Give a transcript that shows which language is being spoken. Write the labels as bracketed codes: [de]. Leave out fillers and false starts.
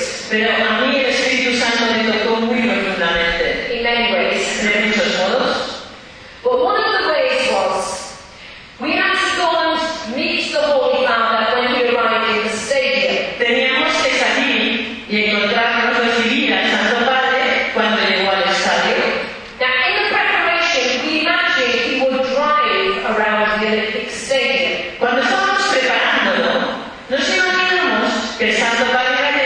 [es] pero a mí el Espíritu Santo me tocó muy profundamente. [en] In many ways. [es] De muchos modos. [en] But one of the ways was, we had to go and meet the Holy Father when we arrived in the stadium. [es] Teníamos que salir y encontrarnos recibir al Santo Padre cuando llegó al estadio. [en] Now, in the preparation, we imagined he would drive around the Olympic Stadium. [es] Cuando estábamos preparándolo, nos imaginamos que el Santo Padre